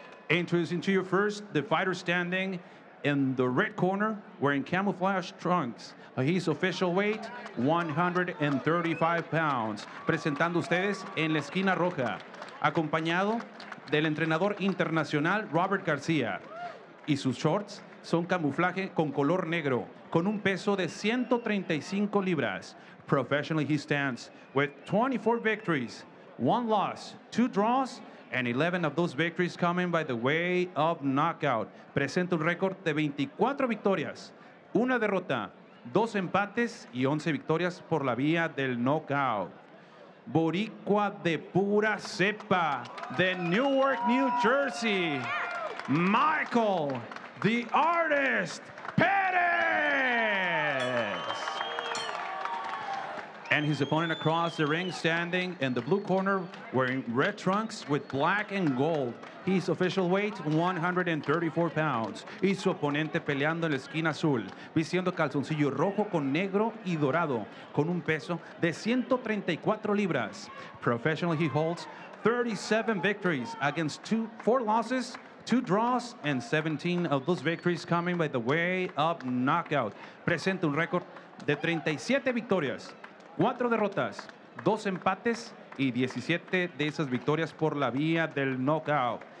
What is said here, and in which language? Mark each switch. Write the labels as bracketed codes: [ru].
[en] Introducing to you first, the fighter standing in the red corner, wearing camouflage trunks. His official weight, 135 pounds. [es] Presentando ustedes en la esquina roja, acompañado del entrenador internacional Robert Garcia. Y sus shorts son camuflaje con color negro, con un peso de 135 libras. [en] Professionally, he stands with 24 victories, one loss, two draws, and 11 of those victories coming by the way of knockout. [es] Presenta un récord de 24 victorias, una derrota, dos empates y 11 victorias por la vía del knockout. Boricua de pura cepa, de Newark, New Jersey, Michael the Artist Perez. [en] And his opponent across the ring, standing in the blue corner, wearing red trunks with black and gold. His official weight, 134 pounds. [es] Y su oponente peleando en la esquina azul, vistiendo calzoncillo rojo con negro y dorado, con un peso de 134 libras. [en] Professionally, he holds 37 victories against four losses, two draws, and 17 of those victories coming by the way of knockout. [es] Presenta un récord de 37 victorias, 4 derrotas, 2 empates, y 17 de esas victorias por la vía del knockout.